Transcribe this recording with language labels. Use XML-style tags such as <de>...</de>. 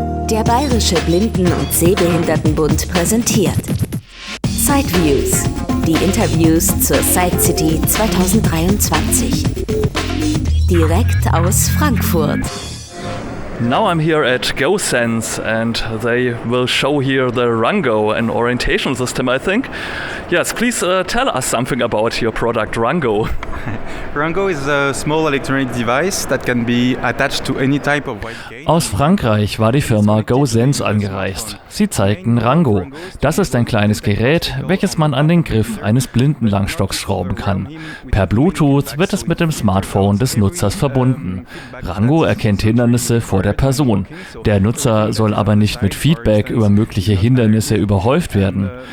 <de>Der Bayerische Blinden- und Sehbehindertenbund präsentiert Sideviews, die Interviews zur Side City 2023. Direkt aus Frankfurt.</de> <en>Now I'm here at GoSense and they will show here the Rungo, an orientation system, I think. Yes, please tell us something about your product Rungo. Rungo is a small electronic device that can be attached to any type of weight gain.</en> <de>Aus Frankreich war die Firma GoSense angereist. Sie zeigten Rungo. Das ist ein kleines Gerät, welches man an den Griff eines Blindenlangstocks schrauben kann. Per Bluetooth wird es mit dem Smartphone des Nutzers verbunden. Rungo erkennt Hindernisse vor der Person. Der Nutzer soll aber nicht mit Feedback über mögliche Hindernisse überhäuft werden.</de>